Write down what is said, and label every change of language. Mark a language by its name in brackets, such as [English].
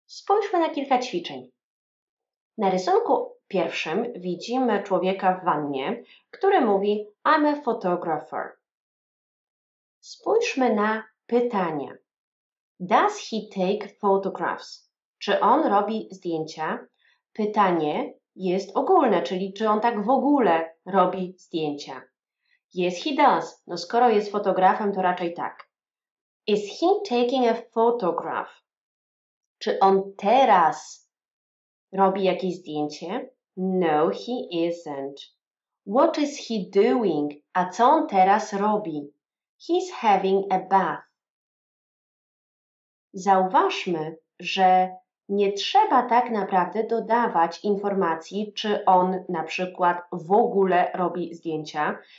[Polish] Spójrzmy na kilka ćwiczeń. Na rysunku pierwszym widzimy człowieka w wannie, który mówi [English] I'm a photographer. [Polish] Spójrzmy na pytanie. [English] Does he take photographs? [Polish] Czy on robi zdjęcia? Pytanie jest ogólne, czyli czy on tak w ogóle robi zdjęcia? [English] Yes, he does. [Polish] No skoro jest fotografem, to raczej tak. [English] Is he taking a photograph? [Polish] Czy on teraz robi jakieś zdjęcie? [English] No, he isn't. What is he doing? [Polish] A co on teraz robi? [English] He's having a bath. [Polish] Zauważmy, że nie trzeba tak naprawdę dodawać informacji, czy on na przykład w ogóle robi zdjęcia.